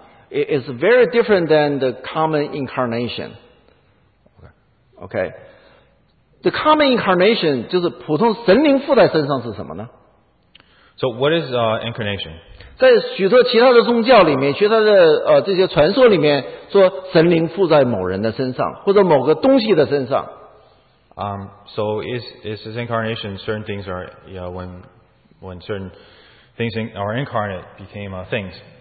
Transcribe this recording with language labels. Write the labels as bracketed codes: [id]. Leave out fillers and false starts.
[en] It's very different than the common incarnation. Okay. The common incarnation, [zh] 就是普通神灵附在身上是什么呢? [en] So what is incarnation? [zh] 在许多其他的宗教里面, 许多的, 这些传说里面, 说神灵附在某人的身上, 或者某个东西的身上, [en] so is incarnation, certain things are, you know, when certain things are incarnate, became things.